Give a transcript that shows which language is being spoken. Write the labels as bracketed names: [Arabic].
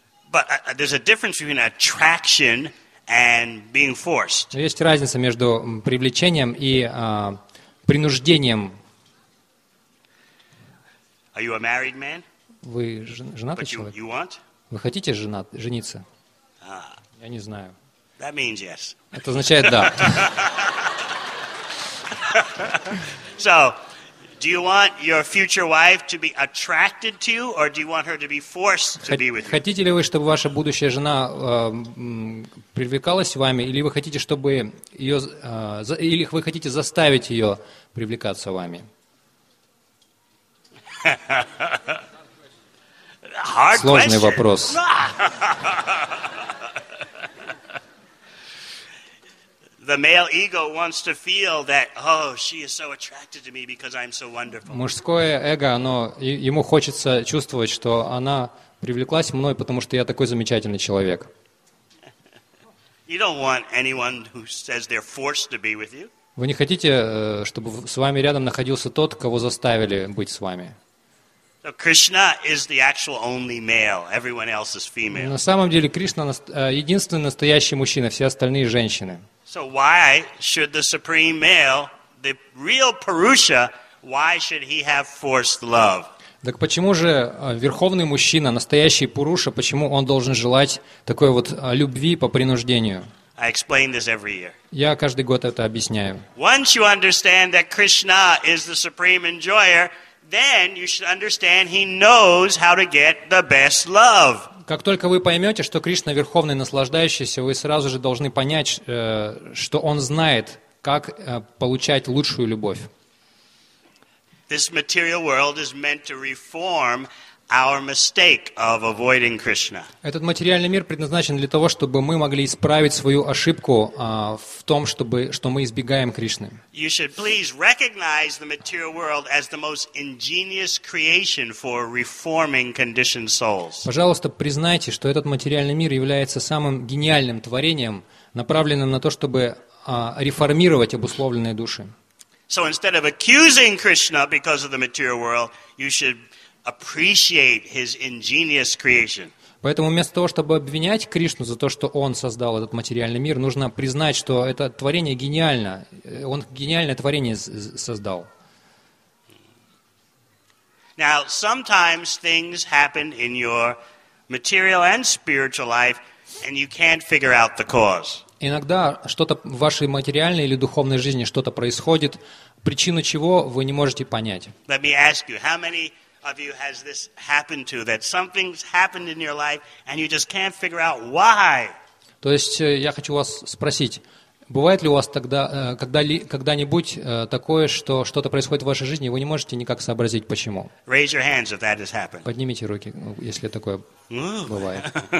[English] But there's a difference between attraction and being forced. [Russian] Есть разница между привлечением и принуждением. [English] Are you a married man? [Russian] Вы женатый человек? [English] You want? [Russian] Вы хотите жениться? Я не знаю. [English] That means yes. [Russian] Это означает да. [English] So. Do you want your future wife to be attracted to you, or do you want her to be forced to be with you? [Russian] Хотите ли вы, чтобы ваша будущая жена привлекалась вами, или вы хотите, чтобы ее, или вы хотите заставить ее привлекаться вами? Сложный вопрос. [English] The male ego wants to feel that, oh, she is so attracted to me because I'm so wonderful. [Russian] Мужское эго, оно ему хочется чувствовать, что она привлеклась мной, потому что я такой замечательный человек. [English] You don't want anyone who says they're forced to be with you. [Russian] Вы не хотите, чтобы с вами рядом находился тот, кого заставили быть с вами. [English] So Krishna is the actual only male. Everyone else is female. [Russian] На самом деле Кришна единственный настоящий мужчина, все остальные женщины. [English] So why should the supreme male, the real Purusha, why should he have forced love? [Russian] Так почему же верховный мужчина, настоящий Пуруша, почему он должен желать такой вот любви по принуждению? [English] I explain this every year. [Russian] Я каждый год это объясняю. [English] Once you understand that Krishna is the supreme enjoyer, then you should understand he knows how to get the best love. [Russian] Как только вы поймете, что Кришна верховный наслаждающийся, вы сразу же должны понять, что он знает, как получать лучшую любовь. [English] This material world is meant to reform our mistake of avoiding Krishna. [Russian] Этот материальный мир предназначен для того, чтобы мы могли исправить свою ошибку в том, чтобы что мы избегаем Кришны. [English] You should please recognize the material world as the most ingenious creation for reforming conditioned souls. [Russian] Пожалуйста, признайте, что этот материальный мир является самым гениальным творением, направленным на то, чтобы реформировать обусловленные души. [English] So instead of accusing Krishna because of the material world, you should appreciate his ingenious creation. [Russian] Поэтому вместо того, чтобы обвинять Кришну за то, что он создал этот материальный мир, нужно признать, что это творение гениально. Он гениальное творение создал. [English] Now, sometimes things happen in your material and spiritual life, and you can't figure out the cause. [Russian] Иногда что-то в вашей материальной или духовной жизни что-то происходит, причину чего вы не можете понять. [English] Let me ask you, how many of you has this happened to, that something's happened in your life and you just can't figure out why? [Russian] То есть я хочу вас спросить, бывает ли у вас тогда когда-нибудь такое, что что-то происходит в вашей жизни, и вы не можете никак сообразить почему? [English] Raise your hands if that has happened. [Russian] Поднимите руки, если такое бывает.